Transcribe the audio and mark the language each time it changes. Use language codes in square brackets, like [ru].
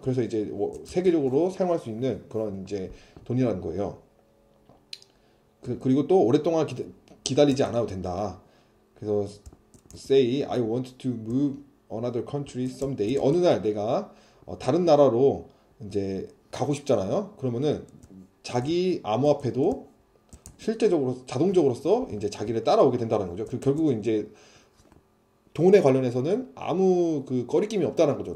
[ko] 그래서 이제 세계적으로 사용할 수 있는 그런 이제 돈이라는 거예요. 그리고 또 오랫동안 기다리지 않아도 된다. 그래서 [en] say I want to move another country someday. [ko] 어느 날 내가 다른 나라로 이제 가고 싶잖아요. 그러면은 자기 암호화폐도 실제적으로 자동적으로서 이제 자기를 따라오게 된다는 거죠. 결국은 이제 돈에 관련해서는 아무 그 거리낌이 없다는 거죠.